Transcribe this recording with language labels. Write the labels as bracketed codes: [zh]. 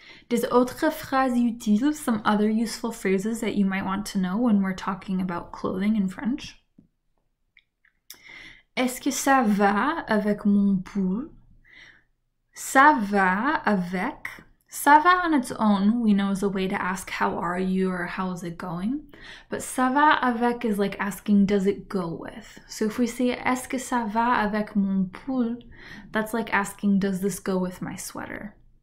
[fr] Des autres phrases utiles, [en] some other useful phrases that you might want to know when we're talking about clothing in French. [fr] Est-ce que ça va avec mon pull? Ça va avec. [en] Ça va on its own, we know, is a way to ask how are you or how is it going. But ça va avec is like asking does it go with. So if we say [fr] est-ce que ça va avec mon pull, [en] that's like asking does this go with my sweater.